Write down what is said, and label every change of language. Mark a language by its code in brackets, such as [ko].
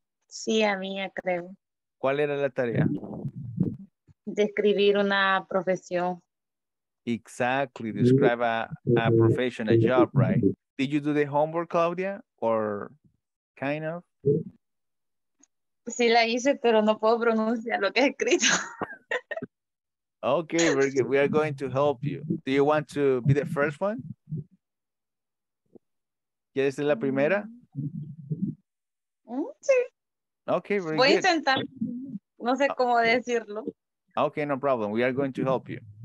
[es] Sí, a mí, creo. ¿Cuál era la tarea? describir una profesión. [en] Exactly, describe a profession, a job, right? Did you do the homework, Claudia, or kind of? [es] Sí, la hice, pero no puedo pronunciar lo que he escrito. [en] Okay, very good. We are going to help you. Do you want to be the first one? [es] ¿Quieres ser la primera? Sí. [en] Okay, very good. [es] Voy a intentar. No sé cómo decirlo. [en] Okay, no problem. We are going to help you.